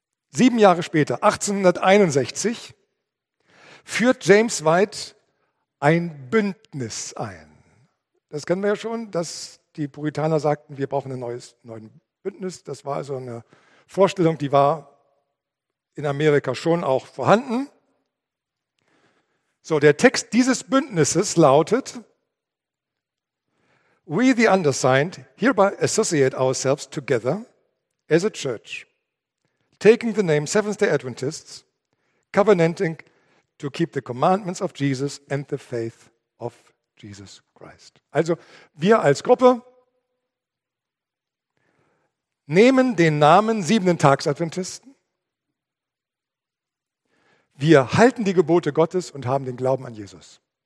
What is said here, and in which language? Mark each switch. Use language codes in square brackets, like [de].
[de] Sieben Jahre später, 1861, führt James White ein Bündnis ein. Das kennen wir ja schon, dass die Puritaner sagten, wir brauchen ein neues Bündnis. Das war also eine Vorstellung, die war in Amerika schon auch vorhanden. [en] So, der Text dieses Bündnisses lautet: We the undersigned hereby associate ourselves together as a church, taking the name Seventh-day Adventists, covenanting to keep the commandments of Jesus and the faith of Jesus Christ. [de] Also, wir als Gruppe nehmen den Namen Siebenten-Tags-Adventisten. Wir halten die Gebote Gottes und haben den Glauben an Jesus.